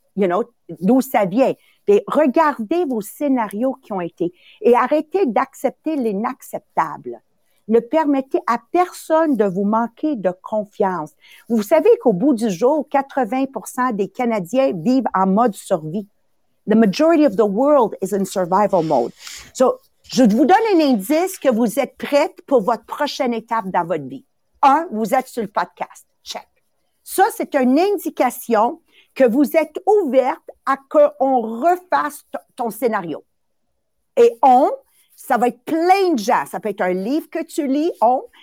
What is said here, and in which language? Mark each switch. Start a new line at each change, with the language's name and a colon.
French: You know, d'où ça vient? Et regardez vos scénarios qui ont été et arrêtez d'accepter l'inacceptable. Ne permettez à personne de vous manquer de confiance. Vous savez qu'au bout du jour, 80% des Canadiens vivent en mode survie.
English: The majority of the world is in survival mode.
French: So, je vous donne un indice que vous êtes prête pour votre prochaine étape dans votre vie. Un, vous êtes sur le podcast. Check. Ça, c'est une indication que vous êtes ouverte à qu'on refasse ton scénario. Et on, ça va être plein de gens. Ça peut être un livre que tu lis, on.